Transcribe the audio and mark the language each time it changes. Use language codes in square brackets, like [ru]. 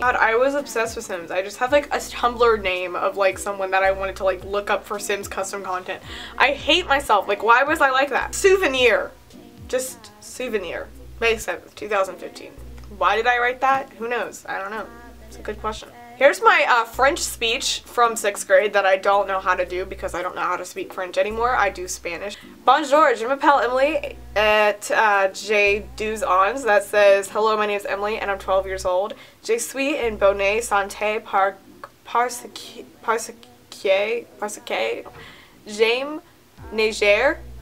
[en] God, I was obsessed with Sims. I just have, like, a Tumblr name of, like, someone that I wanted to, like, look up for Sims custom content. I hate myself. Like, why was I like that? Souvenir. Just souvenir. May 7th, 2015. Why did I write that? Who knows? I don't know. It's a good question. Here's my French speech from sixth grade that I don't know how to do because I don't know how to speak French anymore. I do Spanish. [fr] Bonjour, je m'appelle Emily et je suis ans. [en] That says, hello, my name is Emily and I'm 12 years old. [fr] Je suis en bonne santé parce que j'aime nager.